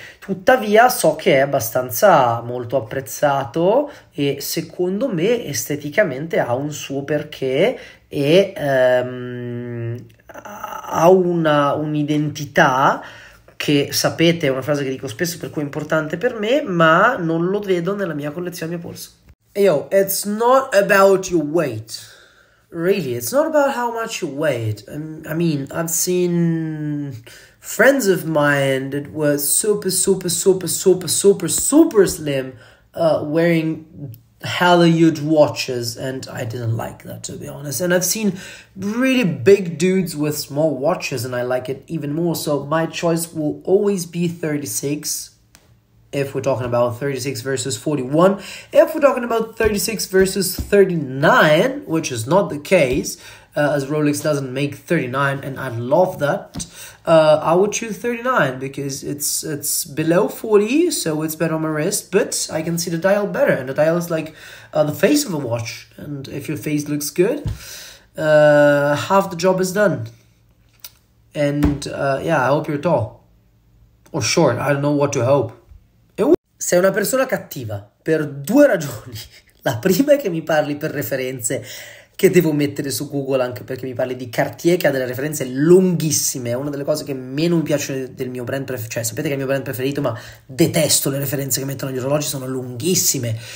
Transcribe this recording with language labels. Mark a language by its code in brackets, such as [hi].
[it] Tuttavia so che è abbastanza molto apprezzato e secondo me esteticamente ha un suo perché e ha un'identità... che sapete è una frase che dico spesso, per cui è importante per me, ma non lo vedo nella mia collezione a mio polso. [en] Yo, it's not about your weight, really, it's not about how much you weight. I mean, I've seen friends of mine that were super, super, super, super, super, super slim wearing hella huge watches, and I didn't like that, to be honest. And I've seen really big dudes with small watches, and I like it even more. So my choice will always be 36, if we're talking about 36 versus 41. If we're talking about 36 versus 39, which is not the case, as Rolex doesn't make 39, and I love that, I would choose 39 because it's below 40, so it's better on my wrist, but I can see the dial better, and the dial is like the face of a watch, and if your face looks good, half the job is done. And yeah, I hope you're tall or short. I don't know what to hope. [it] Sei una persona cattiva per due ragioni. La prima è che mi parli per referenze che devo mettere su Google, anche perché mi parli di Cartier, che ha delle referenze lunghissime. È una delle cose che meno mi piace del mio brand preferito. Cioè, sapete che è il mio brand preferito, ma detesto le referenze che mettono gli orologi, sono lunghissime.